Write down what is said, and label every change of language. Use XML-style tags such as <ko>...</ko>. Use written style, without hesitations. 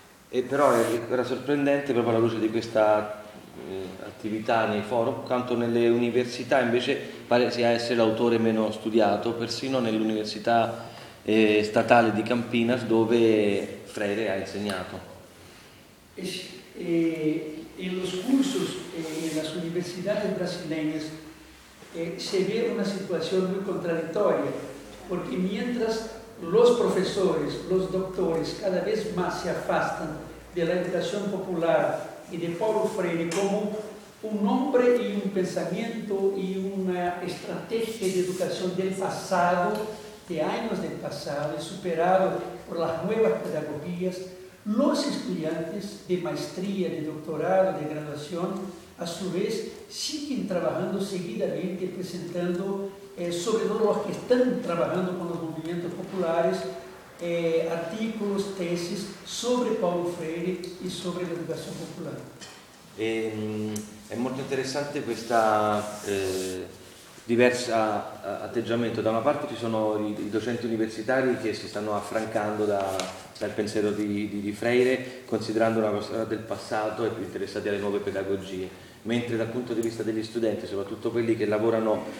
<it>E però era sorprendente, proprio alla luce di questa attività nei forum, quanto nelle università invece pare sia essere l'autore meno studiato, persino nell'Università Statale di Campinas, dove Freire ha insegnato.</it> <es>En los cursos en las universidades brasileñas se ve una situación muy contradictoria, porque mientras los profesores, los doctores, cada vez más se afastan de la educación popular y de Paulo Freire como un hombre y un pensamiento y una estrategia de educación del pasado, de años del pasado, superado por las nuevas pedagogías, los estudiantes de maestría, de doctorado, de graduación, a su vez, siguen trabajando seguidamente, presentando, sobre todo los que están trabajando con los movimientos populares, artículos, tesis sobre Paulo Freire y sobre la educación popular. Es muy interesante esta</es> <it>diversa atteggiamento. Da una parte ci sono i docenti universitari che si stanno affrancando dal pensiero di Freire, considerando una cosa del passato e più interessati alle nuove pedagogie, mentre dal punto di vista degli studenti, soprattutto quelli che lavorano</it>